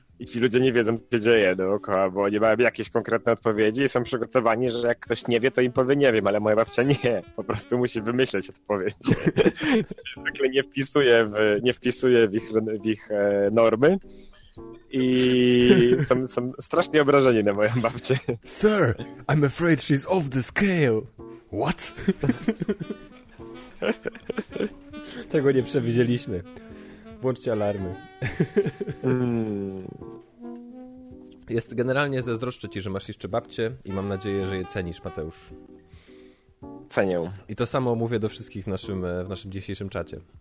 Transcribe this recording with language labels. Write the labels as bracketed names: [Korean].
[Polish] I ci ludzie nie wiedzą, co się dzieje dookoła, bo nie mają jakieś konkretne odpowiedzi i są przygotowani, że jak ktoś nie wie, to im powie nie wiem, ale moja babcia nie. Po prostu musi wymyśleć odpowiedź. Zwykle nie wpisuje w ich normy. I są strasznie obrażeni na moją babcię. [English] Sir, I'm afraid she's off the scale. What? [Polish] Tego nie przewidzieliśmy. Włączcie alarmy. Jest generalnie, zazdroszczę ci, że masz jeszcze babcię i mam nadzieję, że je cenisz, Mateusz. Cenię. I to samo mówię do wszystkich w naszym dzisiejszym czacie.